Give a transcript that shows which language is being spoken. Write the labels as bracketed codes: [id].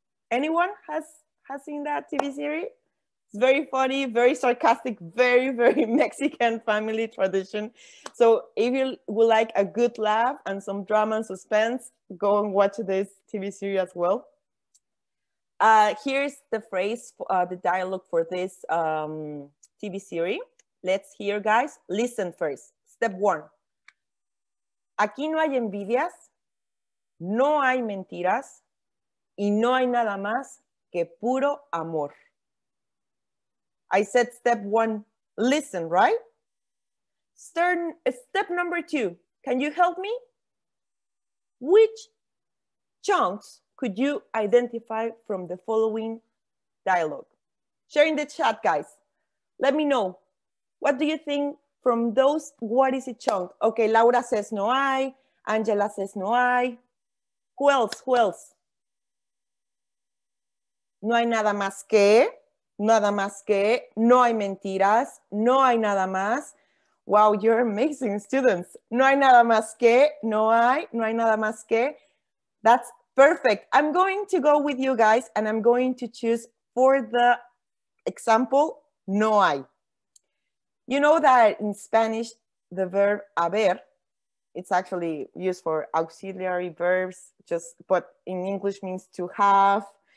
[en] Anyone has seen that TV series? It's very funny, very sarcastic, very, very Mexican family tradition. So if you would like a good laugh and some drama and suspense, go and watch this TV series as well. Here's the phrase, the dialogue for this TV series. Let's hear, guys. Listen first. Step one. [es] Aquí no hay envidias, no hay mentiras, y no hay nada más que puro amor. [en] I said step one, listen, right? Step number two, can you help me? Which chunks could you identify from the following dialogue? Share in the chat, guys. Let me know. What do you think from those, what is a chunk? Okay, Laura says [es] no hay. [en] Angela says no hay. Who else? Who else? [es] No hay nada más que. Nada más que, no hay mentiras, no hay nada más. [en] Wow, you're amazing students. [es] No hay nada más que, no hay, no hay nada más que. [en] That's perfect. I'm going to go with you guys and I'm going to choose for the example, no hay. You know that in Spanish, the verb haber, it's actually used for auxiliary verbs, just but in English means to have.